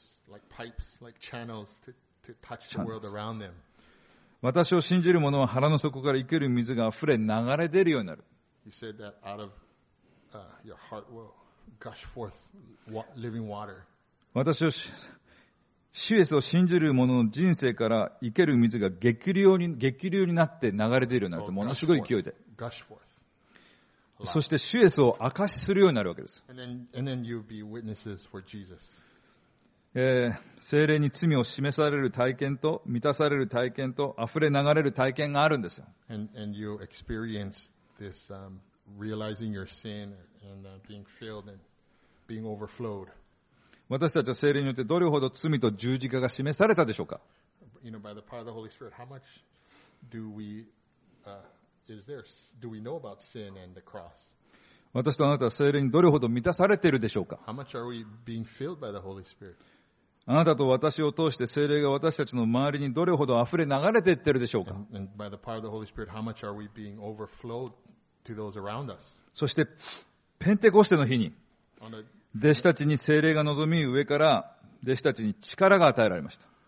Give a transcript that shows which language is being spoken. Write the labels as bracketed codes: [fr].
[en] Like pipes, like channels to touch the world around them. [ja] 私を信じる者は腹の底から生ける水が溢れ流れ出るようになる。 [en] You said that out of your heart will gush forth living water. [ja] 私は主イエスを信じる者の人生から生ける水が激流になって流れているようになると、ものすごい勢いで。 [en] Gush forth. [ja] そして主イエスを証しするようになるわけです。 [en] And then you'll be witnesses for Jesus. [ja] 聖霊に罪を示される体験と、満たされる体験と、溢れ流れる体験があるんですよ。 [en] And you experience this, realizing your sin and being filled and being overflowed. [ja] 私たちは聖霊によってどれほど罪と十字架が示されたでしょうか。 [en] You know, Spirit, how much do we, is there, do we know about sin and the cross? [ja] 私とあなたは聖霊にどれほど満たされているでしょうか。 [en] How much are we being filled by the Holy Spirit? [ja] あなたと私を通して聖霊が私たちの周りにどれほど溢れ流れていってるでしょうか。 [en] And by the power of the Holy Spirit, how much are we being overflowed to those around us? [ja] そして、ペンテコステの日に、弟子たちに聖霊が臨み、上から弟子たちに力が与えられました。